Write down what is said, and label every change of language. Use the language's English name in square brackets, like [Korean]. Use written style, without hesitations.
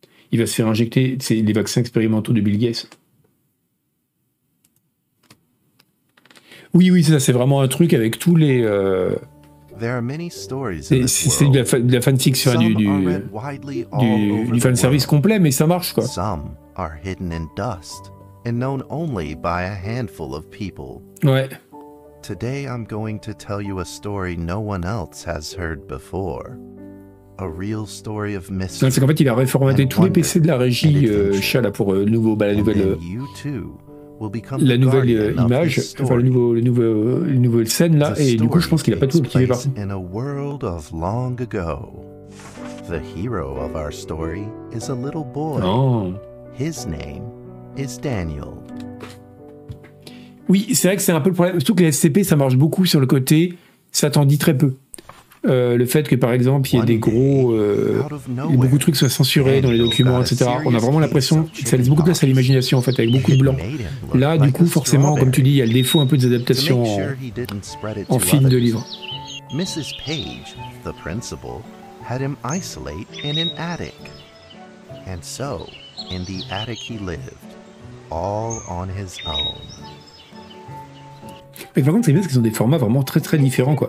[French] Il va se faire injecter les vaccins expérimentaux de Bill Gates. Oui, oui, ça, c'est vraiment un truc avec tous les... c'est de la fanfiction, du fanservice complet, mais ça marche, quoi. [English] Some are hidden in dust and known only by a handful of people. [French] Ouais. [English] Today I'm going to tell you a story no one else has heard before. A real story of mystery. [French] C'est qu'en fait, il a réformaté tous les PC de la régie Chat pour la nouvelle image, enfin le nouveau scène là, et du coup, je pense qu'il a pas tout activé par. [English] In a world of long ago, the hero of our story is a little boy. His name is Daniel. [French] Oui, c'est vrai que c'est un peu le problème. Surtout que les SCP, ça marche beaucoup sur le côté, ça t'en dit très peu. Le fait que, par exemple, il y ait des gros... beaucoup de trucs soient censurés dans les documents, etc. On a vraiment l'impression que ça laisse beaucoup de place à l'imagination, en fait, avec beaucoup de blanc. Là, du coup, forcément, comme tu dis, il y a le défaut un peu des adaptations en film de livre. [English] Mrs. Page, the principal, had him isolate in an attic. And so, in the attic he lived, all on his own. [French] Mais par contre, c'est bien parce qu'ils ont des formats vraiment très très différents, quoi.